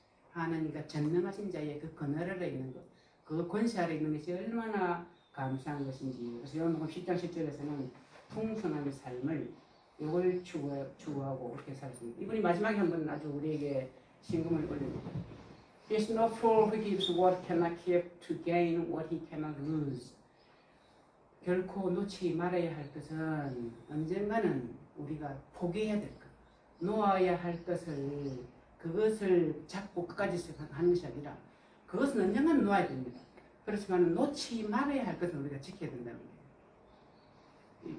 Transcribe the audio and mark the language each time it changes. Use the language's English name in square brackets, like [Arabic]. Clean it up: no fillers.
[Korean] 하나님과 전능하신 자의 그 그늘 아래 있는 것, 그 권세 아래 있는 것이 얼마나 감사한 것인지. 그래서 요한복음 10장 10절에서는 풍성한 삶을 이걸 추구하고 그렇게 살았습니다. 이분이 마지막에 한 번 아주 우리에게 신금을 올립니다. [English] It's no fool who gives what cannot keep to gain what he cannot lose. [Korean] 결코 놓치지 말아야 할 것은 언젠가는 우리가 포기해야 될 것, 놓아야 할 것을 그것을 잡고 끝까지 하는 것이 아니라 그것은 언젠가는 놓아야 됩니다. 그렇지만 놓치지 말아야 할 것은 우리가 지켜야 된다는 거예요.